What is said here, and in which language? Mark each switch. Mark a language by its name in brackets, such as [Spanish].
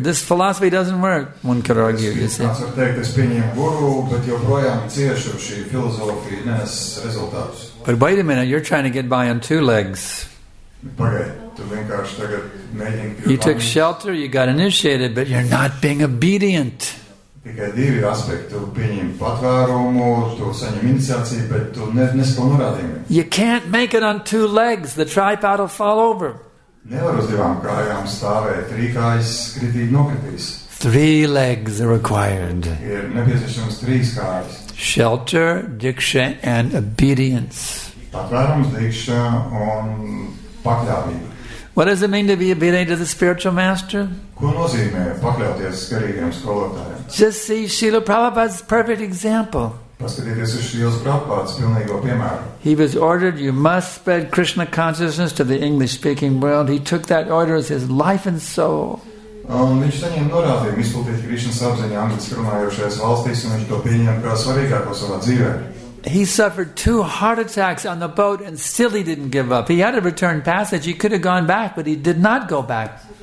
[English] This philosophy doesn't work, one could argue, you see. But wait a minute, you're trying to get by on two legs. You took shelter, you got initiated, but you're not being obedient. [Latvian] Tikai divi aspekti, tu pieņem patvērumu, tu saņem iniciāciju, bet tu nespēl norādījumi. [English] You can't make it on two legs, the tripod will fall over. [Latvian] Nevar uz divām kājām stāvēt, trīs kājas kritīt nokritīs. [English] Three legs are required. [Latvian] Ir nepieciešams trīs kājas. [English] Shelter, diksha and obedience. [Latvian] Patvērums, diksha un pakļāvība. [English] What does it mean to be obedient to the spiritual master? [Latvian] Ko nozīmē pakļauties garīgiem skolotājiem? [English] Just see Srila Prabhupada's perfect example. [Latvian] Paskatieties uz Srilas Prabhupādas pilnīgo piemēru. [English] He was ordered, you must spread Krishna consciousness to the English-speaking world. He took that order as his life and soul. [Latvian] Un viņš saņem norādījumu izplatīt Krishna apziņu angļu runājošajās valstīs, un viņš to pieņem kā svarīgāko savā dzīvē. [English] He suffered two heart attacks on the boat and still he didn't give up. He had a return passage. He could have gone back, but he did not go back.